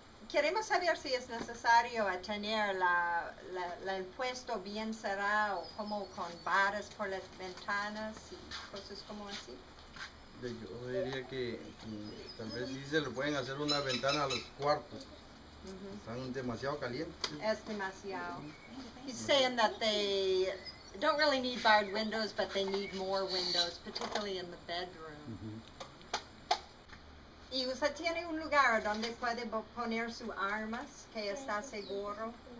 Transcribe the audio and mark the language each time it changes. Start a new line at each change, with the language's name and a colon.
Spanish: Queremos saber si es necesario tener el puesto bien cerrado, como con barras por las ventanas y cosas como así. Yo diría que tal vez sí se le pueden hacer una ventana a los cuartos. Están demasiado calientes. Es demasiado.
English: He's saying that they don't really need barred windows, but they need more windows, particularly in the bedroom.
Spanish: ¿Y usted tiene un lugar donde puede poner sus armas, que está seguro?